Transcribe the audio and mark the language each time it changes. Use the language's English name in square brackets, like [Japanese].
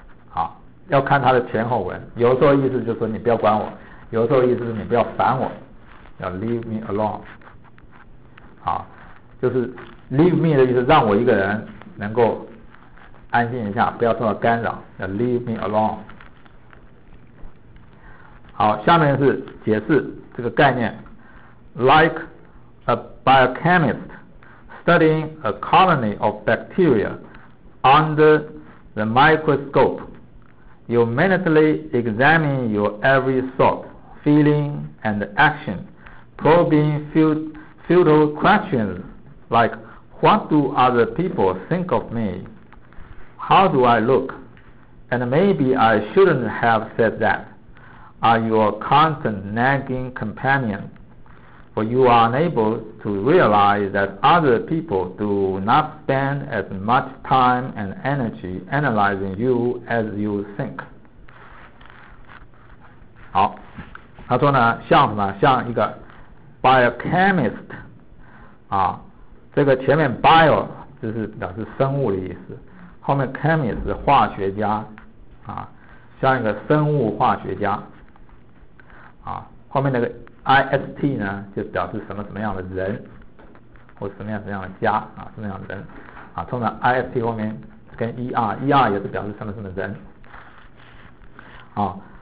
[Chinese] 好，要看它的前后文，有时候意思就是说你不要管我，有时候意思是你不要烦我，要 [English] leave me alone。 [Chinese] 好，就是 leave me 的意思，让我一个人能够安静一下，不要受到干扰，要 [English] leave me alone。 [Chinese] 好，下面是解释这个概念。 [English] Like a biochemist studying a colony of bacteria under the microscope, you mentally examine your every thought, feeling and action, probing futile questions like, what do other people think of me? How do I look? And maybe I shouldn't have said that. Are your constant nagging companion? For you are unable to realize that other people do not spend as much time and energy analyzing you as you think. [Chinese] 好，他说呢，像什么？像一个 biochemist 啊，这个前面 bio 就是表示生物的意思，后面 chemist 是化学家啊，像一个生物化学家啊，后面那个 ist 呢，就表示什么什么样的人，或什么样什么样的家啊，什么样的人啊，通常 ist 后面跟 er 也是表示什么什么人啊。